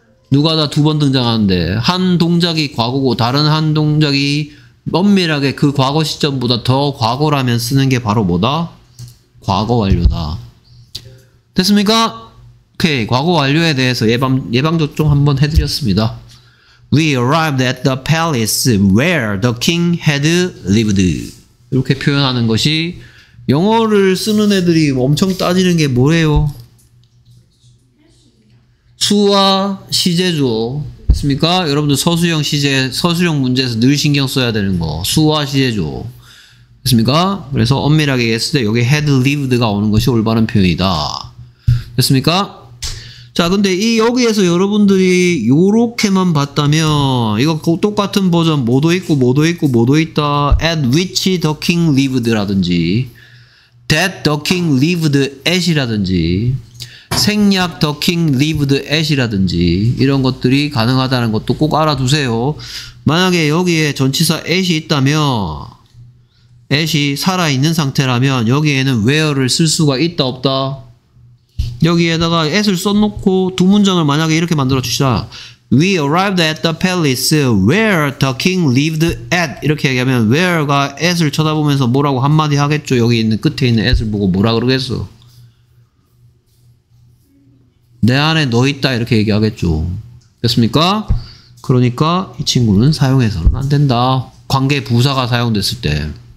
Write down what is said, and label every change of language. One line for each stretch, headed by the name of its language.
Korean: 누가 다 두 번 등장하는데 한 동작이 과거고 다른 한 동작이 엄밀하게 그 과거 시점보다 더 과거라면 쓰는 게 바로 뭐다? 과거 완료다. 됐습니까? 오케이. 과거 완료에 대해서 예방접종 한번 해드렸습니다.
English: We arrived at the palace where the king had lived.
Korean: 이렇게 표현하는 것이 영어를 쓰는 애들이 엄청 따지는 게 뭐예요? 수와 시제죠. 됐습니까? 여러분들 서술형 시제, 서술형 문제에서 늘 신경 써야 되는 거. 수와 시제죠. 됐습니까? 그래서 엄밀하게 했을 때 여기
English: had lived
Korean: 가 오는 것이 올바른 표현이다. 됐습니까? 자, 근데 이 여기에서 여러분들이 요렇게만 봤다면 이거 똑같은 버전 뭐도 있고 뭐도 있고 뭐도 있다.
English: At which the king lived
Korean: 라든지
English: That the king lived at
Korean: 이라든지 생략
English: the king lived at
Korean: 이라든지 이런 것들이 가능하다는 것도 꼭 알아두세요. 만약에 여기에 전치사 at이 있다면 at이 살아있는 상태라면 여기에는 where를 쓸 수가 있다 없다. 여기에다가 at을 써놓고 두 문장을 만약에 이렇게 만들어주시다.
English: We arrived at the palace where the king lived at.
Korean: 이렇게 얘기하면 where가 at을 쳐다보면서 뭐라고 한마디 하겠죠. 여기 있는 끝에 있는 at을 보고 뭐라 그러겠어. 내 안에 너 있다 이렇게 얘기하겠죠. 됐습니까? 그러니까 이 친구는 사용해서는 안 된다. 관계 부사가 사용됐을 때.